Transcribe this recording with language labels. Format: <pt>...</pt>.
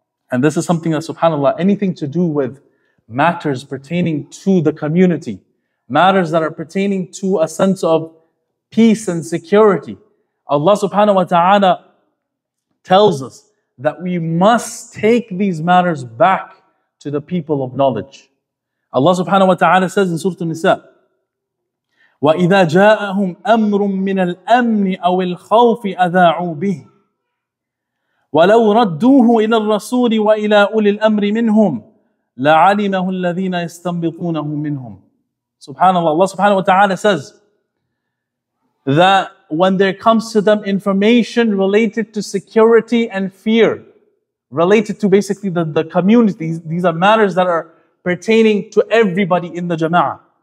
<en>And this is something that, subhanAllah, anything to do with matters pertaining to the community, matters that are pertaining to a sense of peace and security, Allah subhanahu wa ta'ala tells us that we must take these matters back to the people of knowledge. Allah subhanahu wa ta'ala says in Surah An-Nisa,</en> <ar>وَإِذَا جَاءَهُمْ أَمْرٌ مِّنَ الْأَمْنِ أَوِ الْخَوْفِ أَذَاعُوا بِهِ وَلَوْ رَدُّوهُ إِلَى الرَّسُولِ وَإِلَىٰ أُولِي الْأَمْرِ مِنْهُمْ لَعَلِمَهُ الَّذِينَ يَسْتَنْبِطُونَهُ مِنْهُمْ.</ar> <en>Subhanallah, Allah subhanahu wa ta'ala says that when there comes to them information related to security and fear, related to basically the community, these are matters that are pertaining to everybody in the jama'ah.</en>